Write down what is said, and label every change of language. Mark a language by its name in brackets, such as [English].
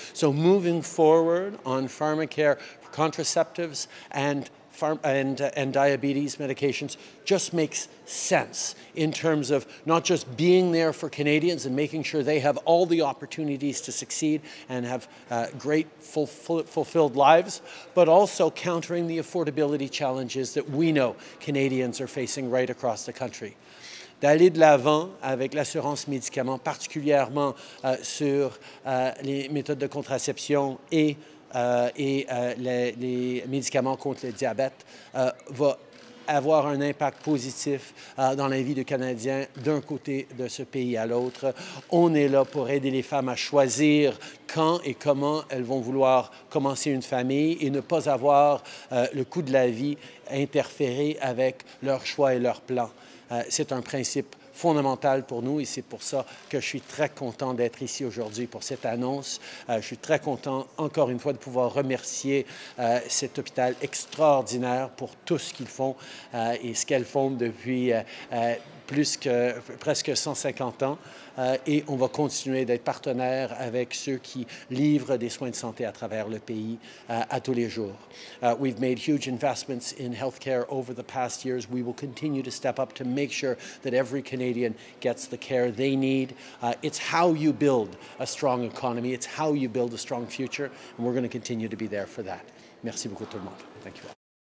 [English] So moving forward on pharmacare contraceptives and diabetes medications just makes sense in terms of not just being there for Canadians and making sure they have all the opportunities to succeed and have great fulfilled lives, but also countering the affordability challenges that we know Canadians are facing right across the country. [French] D'aller de l'avant avec l'assurance médicaments, particulièrement sur les méthodes de contraception et les médicaments contre le diabète va avoir un impact positif dans la vie du Canadien d'un côté de ce pays à l'autre. On est là pour aider les femmes à choisir quand et comment elles vont vouloir commencer une famille et ne pas avoir le coût de la vie interférer avec leurs choix et leurs plans. C'est un principe fondamental pour nous et c'est pour ça que je suis très content d'être ici aujourd'hui pour cette annonce. Je suis très content encore une fois de pouvoir remercier cet hôpital extraordinaire pour tout ce qu'ils font et ce qu'elles font depuis presque 150 ans et on va continuer d'être partenaire avec ceux qui livrent des soins de santé à travers le pays à tous les jours. [English] We've made huge investments in healthcare over the past years. We will continue to step up to make sure that every Canadian gets the care they need. It's how you build a strong economy. It's how you build a strong future, and we're going to continue to be there for that. [French] Merci beaucoup tout le monde. [English] Thank you.